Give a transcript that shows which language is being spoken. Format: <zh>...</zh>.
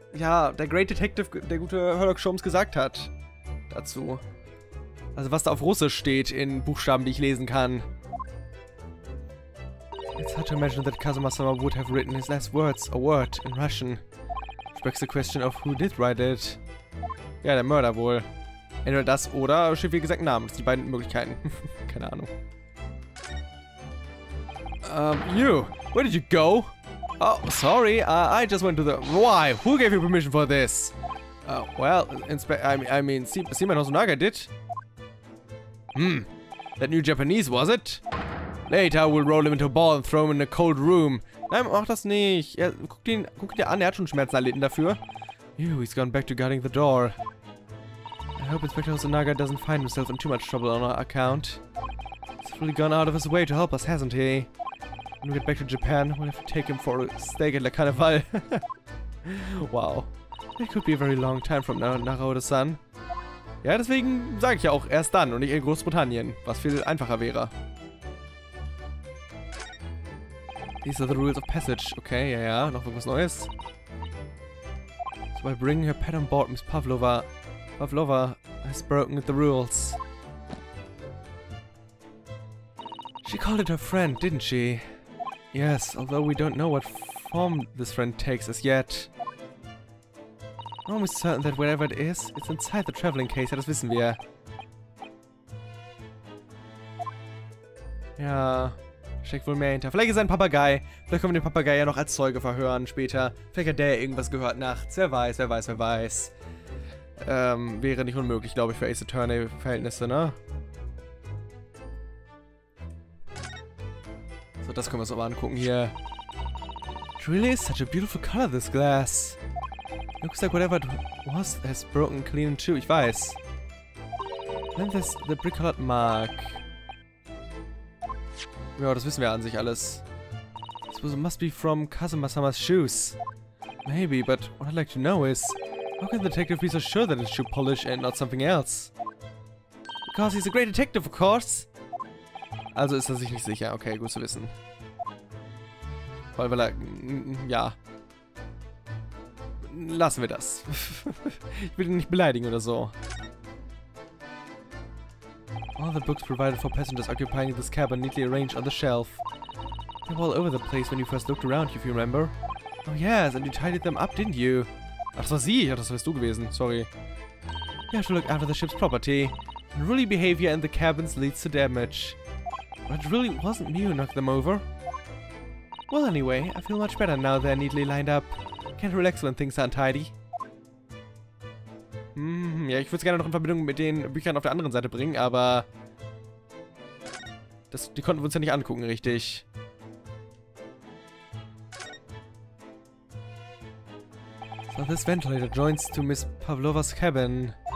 <de>Ja, der Great Detective, der gute Sherlock Holmes gesagt hat. Dazu. Also was da auf Russisch steht, in Buchstaben, die ich lesen kann.</de> <en>It's hard to imagine that Kazuma-sama would have written his last words, a word, in Russian. It begs the question of who did write it.</en> <de>Ja, der Mörder wohl. Entweder das oder steht wie gesagt Namen. Das sind die beiden Möglichkeiten. Keine Ahnung.</de> <en>You, where did you go? Oh, sorry, I just went to the... Why? Who gave you permission for this? Well, I mean, Seaman Hosonaga did. Hmm, that new Japanese, was it? Later, we'll roll him into a ball and throw him in a cold room.</en> <de>Nein, mach das nicht. Ja, guck dir an, er hat schon Schmerzen erlitten dafür.</de> <en>Ew, he's gone back to guarding the door. I hope Inspector Hosonaga doesn't find himself in too much trouble on our account. He's fully gone out of his way to help us, hasn't he? When we get back to Japan, we'll have to take him for a steak at the carnival. Wow. It could be a very long time from now, Naruto-san.</en> <de>Ja, deswegen sage ich ja auch erst dann und nicht in Großbritannien, was viel einfacher wäre.</de> <en>These are the rules of passage.</en> <de>Okay, ja, ja, noch irgendwas Neues.</de> <en>So by bringing her pet on board, Miss Pavlova... Pavlova has broken the rules. She called it her friend, didn't she? Yes, although we don't know what form this friend takes as yet. I'm almost certain that wherever it is, it's inside the traveling case,</en> <de>ja, das wissen wir. Ja, steckt wohl mehr hinter. Vielleicht ist er ein Papagei. Vielleicht können wir den Papagei ja noch als Zeuge verhören später. Vielleicht hat der irgendwas gehört nachts. Wer weiß, wer weiß, wer weiß. Wäre nicht unmöglich, glaube ich, für Ace Attorney-Verhältnisse, ne? So, das können wir uns aber angucken hier.</de> <en>It really is such a beautiful color, this glass. Looks like whatever it was has broken clean in two,</en> <de>ich weiß.</de> <en>Then there's the brick-colored mark.</en> <de>Ja, das wissen wir an sich alles.</de> <en>This was, must be from Kazuma-sama's shoes. Maybe, but what I'd like to know is, how can the detective be so sure that it's shoe polish and not something else? Because he's a great detective, of course.</en> <de>Also ist er sich nicht sicher, okay, gut zu wissen. Weil er, ja. Lassen wir das. Ich will ihn nicht beleidigen oder so.</de> <en>All the books provided for passengers occupying this cabin neatly arranged on the shelf. They were all over the place when you first looked around, if you remember. Oh yes, and you tidied them up, didn't you?</en> <de>Ach, das war sie. Ja, das wärst du gewesen. Sorry.</de> <en>You have to look after the ship's property. Unruly behavior in the cabins leads to damage. But it really wasn't me who knocked them over. Well, anyway, I feel much better now they're neatly lined up. Can't relax when things are untidy.</en> <de>Ja, ich würde es gerne noch in Verbindung mit den Büchern auf der anderen Seite bringen, aber... die konnten wir uns ja nicht angucken, richtig.</de> <en>So, this ventilator joins to Miss Pavlova's cabin.</en>